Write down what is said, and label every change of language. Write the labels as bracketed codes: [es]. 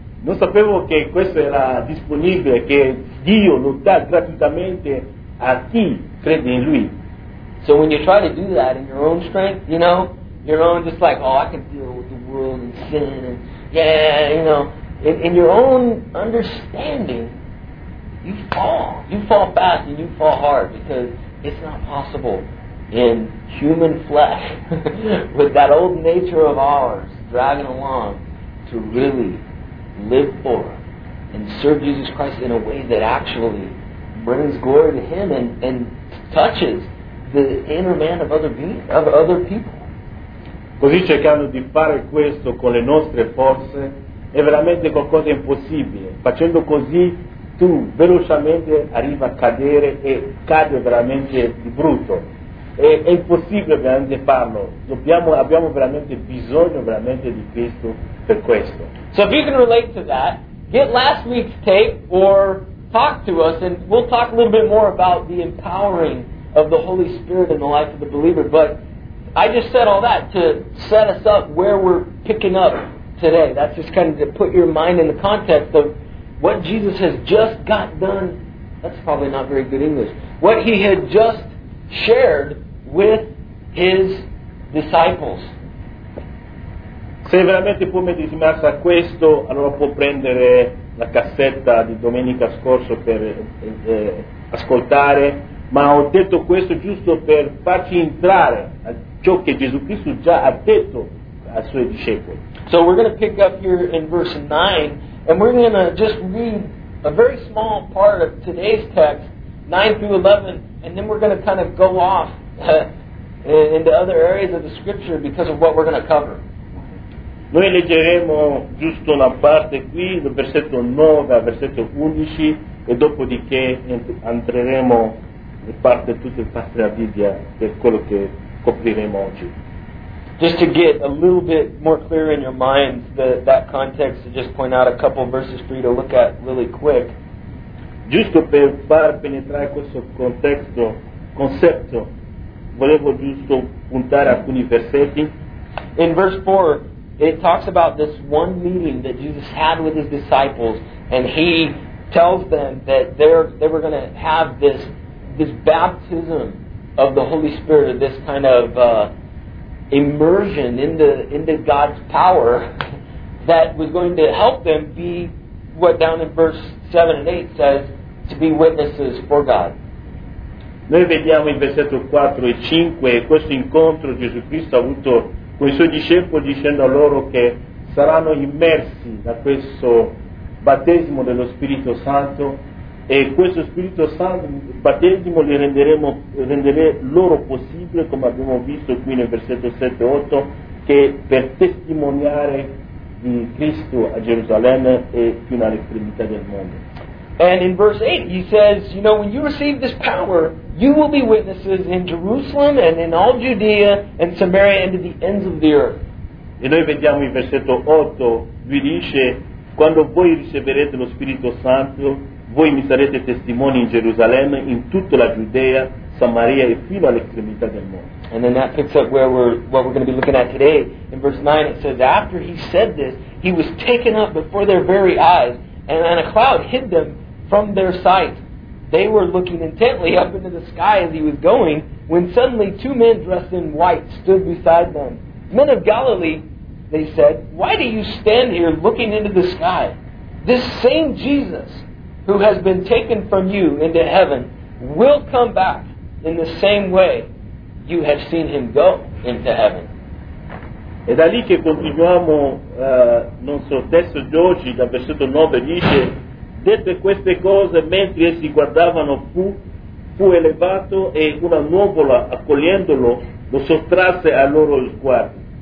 [it] Non sapevo che questo era disponibile, che Dio lo dà gratuitamente a chi crede in lui. [en] So when you try to do that in your own strength, you know, your own just like, oh, I can deal with the world and sin and yeah, you know, in your own understanding, you fall. You fall fast and you fall hard because it's not possible in human flesh with that old nature of ours dragging along to really live for and serve Jesus Christ in a way that actually brings glory to him and touches the inner man of other people. [it] Così cercando di fare questo con le nostre forze è veramente qualcosa impossibile. Facendo così tu velocemente arrivi a cadere e cade veramente di brutto. È impossibile veramente farlo. Abbiamo veramente bisogno veramente di Cristo per questo. [en] So if you can relate to that, get last week's tape or talk to us and we'll talk a little bit more about the empowering of the Holy Spirit in the life of the believer. But I just said all that to set us up where we're picking up today. That's just kind of to put your mind in the context of what Jesus has just got done. That's probably not very good English. What he had just shared with his disciples. [it] Se veramente può medesimarsi a questo, allora può prendere la cassetta di domenica scorso per ascoltare, ma ho detto questo giusto per farci entrare a ciò che Gesù Cristo già ha detto ai suoi discepoli. [en] So we're going to pick up here in verse 9, and we're going to just read a very small part of today's text, 9 through 11, and then we're going to kind of go off into other areas of the scripture because of what we're going to cover. [it] Noi leggeremo giusto una parte qui, dal versetto 9 al versetto 11, e dopodiché entreremo in parte tutta la parte della Bibbia per quello che copriremo oggi. [en] Just to get a little bit more clear in your mind that context, to just point out a couple of verses for you to look at really quick. [it] Giusto per far penetrare questo contesto, concetto, volevo giusto puntare alcuni versetti. [en] In verse 4, it talks about this one meeting that Jesus had with his disciples, and he tells them that they were going to have this baptism of the Holy Spirit, this kind of immersion into God's power that was going to help them be what down in verse 7 and 8 says to be witnesses for God. [it] Noi vediamo in versetto 4 e 5 questo incontro Gesù Cristo ha avuto con i suoi discepoli, dicendo a loro che saranno immersi da questo battesimo dello Spirito Santo, e questo Spirito Santo battesimo renderà loro possibile, come abbiamo visto qui nel versetto 7-8, che per testimoniare di Cristo a Gerusalemme e fino all'estremità del mondo. [en] And in verse 8 he says, you know, when you receive this power, you will be witnesses in Jerusalem and in all Judea and Samaria and to the ends of the earth. [it] E noi vediamo in versetto 8, lui dice, quando voi riceverete lo Spirito Santo, voi mi sarete testimoni in Gerusalemme, in tutta la Giudea, Samaria e fino all'estremità del mondo. [en] And then that picks up where what we're going to be looking at today. In verse 9 it says, after he said this, he was taken up before their very eyes, and a cloud hid them from their sight. They were looking intently up into the sky as he was going, when suddenly two men dressed in white stood beside them. Men of Galilee, they said, why do you stand here looking into the sky? This same Jesus, who has been taken from you into heaven, will come back in the same way you have seen him go into heaven. [it] E da lì che continuiamo, non so, testo di oggi, dal versetto 9 dice, dette queste cose, mentre essi guardavano, fu elevato e una nuvola, accogliendolo, lo sottrasse ai loro sguardi.